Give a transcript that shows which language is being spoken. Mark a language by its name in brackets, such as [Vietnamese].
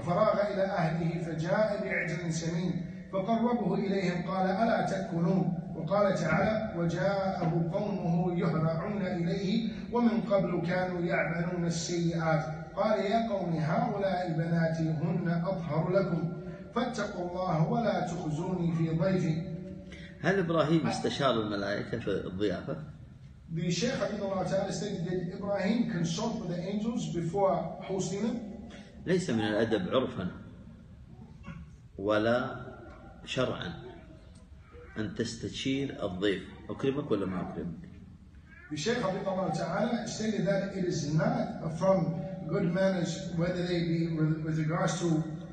[Arabic] فراغ إلى أهله فجاء بعجل سمين فقربه إليهم قال ألا تأكلون وقال تعالى وجاءه قومه يهرعون إليه ومن قبل كانوا يعملون السيئات قال يا قوم هؤلاء بناتي هن أطهر لكم فاتقوا الله ولا تخزوني في ضيفي هل إبراهيم استشار الملائكة في الضيافة؟ [English] The Shaykh Abdullah Ta'ala stated that Ibrahim consulted with the angels before hosting them. [Arabic] ليس من الأدب عرفا ولا شرعا أن تستشير الضيف أكرمك ولا ما أكرمك؟ [English] The Shaykh Abdullah Ta'ala stated that it is not from good manners whether they be with regards to